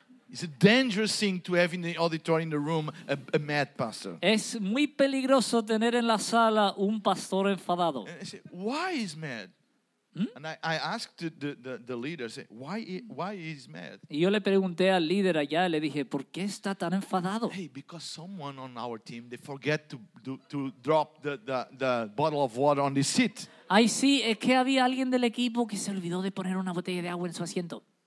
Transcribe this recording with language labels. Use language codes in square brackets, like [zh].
[en] It's a dangerous thing to have in the auditorium in the room a mad pastor. [es] Es muy peligroso tener en la sala un pastor enfadado. [en] And I said, why is mad? And I asked the leader, I said, why is mad? [es] Y yo le pregunté al líder allá, le dije, ¿por qué está tan enfadado? [en] Hey, because someone on our team, they forget to drop the bottle of water on the seat. [es] Ay, sí, es que había alguien del equipo que se olvidó de poner una botella de agua en su asiento.